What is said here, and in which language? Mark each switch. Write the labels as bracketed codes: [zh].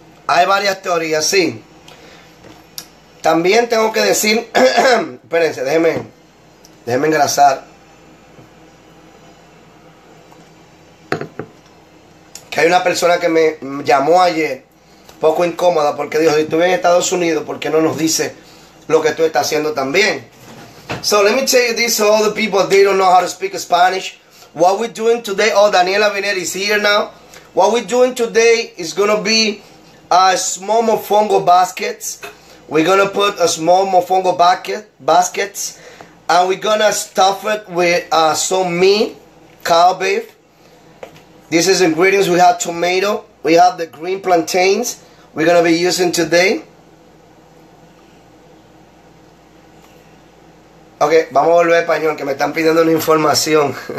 [es] Hay varias teorías, sí. También tengo que decir, espérense, déjenme engrasar. Que hay una persona que me llamó ayer, poco incómoda, porque dijo, si tú vives en Estados Unidos, ¿por qué no nos dice lo que tú estás haciendo también? [en] So, let me tell you this, all the people, they don't know how to speak Spanish. What we're doing today, oh, Daniela Vinera is here now. What we're doing today is going to be a small mofongo baskets. We're going to put a small mofongo baskets. And we're going to stuff it with some meat, cow beef. This is ingredients, we have tomato. We have the green plantains we're going to be using today. [es] Ok, vamos a volver a español, que me están pidiendo una información.